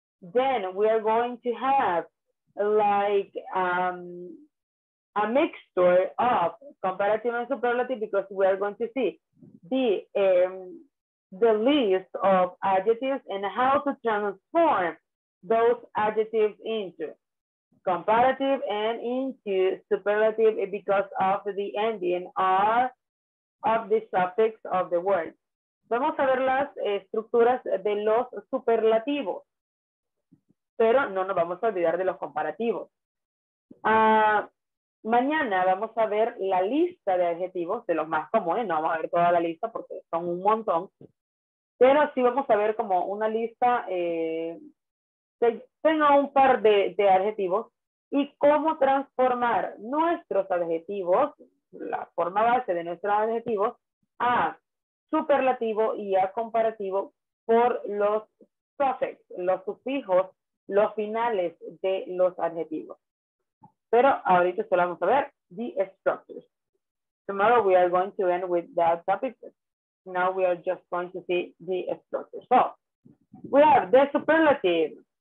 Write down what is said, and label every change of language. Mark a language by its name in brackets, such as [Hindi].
[English] Then we are going to have like a mixture of comparative and superlative, because we are going to see the list of adjectives and how to transform those adjectives into comparative and into superlative because of the ending R of the suffix of the word. [Spanish] Vamos a ver las estructuras de los superlativos, pero no nos vamos a olvidar de los comparativos. Mañana vamos a ver la lista de adjetivos de los más comunes. No vamos a ver toda la lista porque son un montón, pero sí vamos a ver como una lista. Tengo un par de adjetivos y cómo transformar nuestros adjetivos, la forma base de nuestros adjetivos, a superlativo y a comparativo por los suffix, los sufijos, los finales de los adjetivos. Pero ahorita solo vamos a ver [English] the structures. Tomorrow we are going to end with that topic. Now we are just going to see the structures. So, we have the superlative.